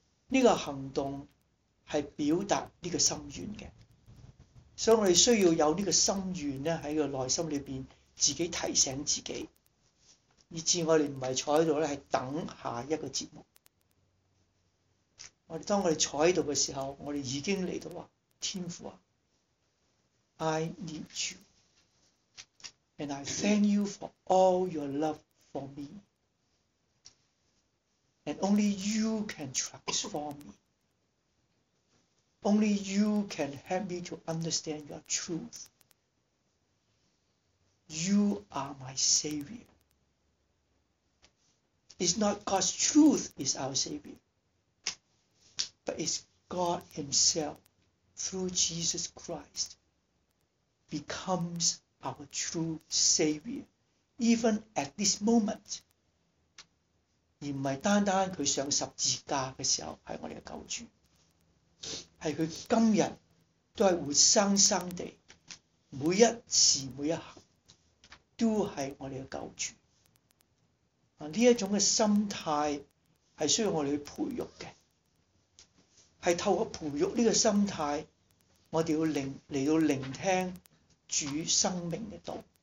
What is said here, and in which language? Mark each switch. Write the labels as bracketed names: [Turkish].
[Chinese] 這個行動是表達這個心願的，所以我們需要有這個心願呢，在這個內心裡面自己提醒自己，以致我們不是坐在這裡，是等下一個節目。當我們坐在這裡的時候，我們已經來到天父啊， [English] I need you and I thank you for all your love for me and only you can transform me, only you can help me to understand your truth, you are my savior, it's not God's truth is our savior,But it's God Himself through Jesus Christ becomes our true Savior, even at this moment. [Chinese] 而不是單單祂上十字架的時候是我們的救主，是祂今天都是活生生地每一時每一刻都是我們的救主。這一種的心態是需要我們去培育的，是透過培育這個心態，我們要來到聆聽主生命的道。